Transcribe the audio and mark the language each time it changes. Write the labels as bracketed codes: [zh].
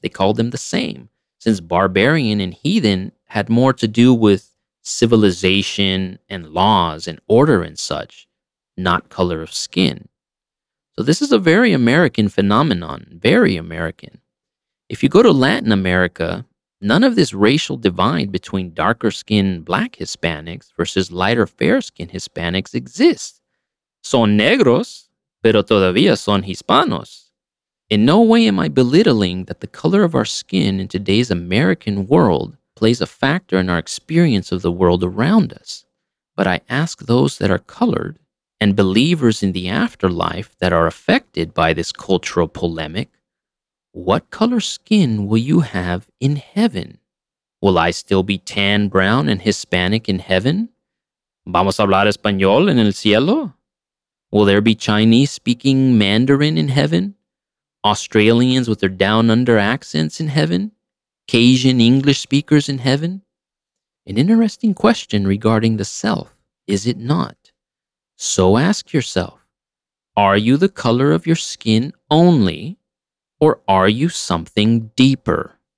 [en] They called them the same, since barbarian and heathen had more to do with civilization and laws and order and such, not color of skin. So this is a very American phenomenon, very American. If you go to Latin America, none of this racial divide between darker-skinned black Hispanics versus lighter fair-skinned Hispanics exists. [es] Son negros, pero todavía son Hispanos. [en] In no way am I belittling that the color of our skin in today's American world plays a factor in our experience of the world around us. but I ask those that are colored and believers in the afterlife that are affected by this cultural polemic, what color skin will you have in heaven? Will I still be tan, brown, and Hispanic in heaven? [es] ¿Vamos a hablar español en el cielo? [en] Will there be Chinese-speaking Mandarin in heaven? Australians with their down-under accents in heaven? Cajun English speakers in heaven? An interesting question regarding the self, is it not? So ask yourself, are you the color of your skin only, or are you something deeper?